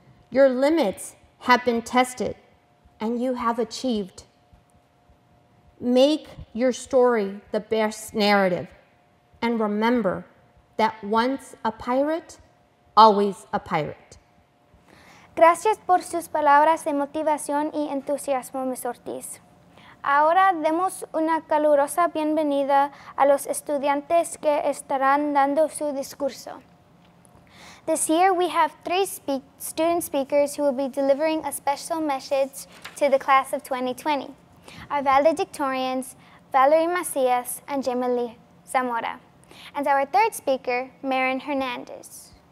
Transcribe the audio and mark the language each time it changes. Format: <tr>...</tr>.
<en>Your limits have been tested and you have achieved. Make your story the best narrative and remember that once a pirate, always a pirate.</en> <es>Gracias por sus palabras de motivación y entusiasmo, Ms. Ortiz. Ahora demos una calurosa bienvenida a los estudiantes que estarán dando su discurso.</es> <en>This year we have three student speakers who will be delivering a special message to the class of 2020. Our valedictorians, Valerie Macias and Jemily Zamora. And our third speaker, Marin Hernandez.</en>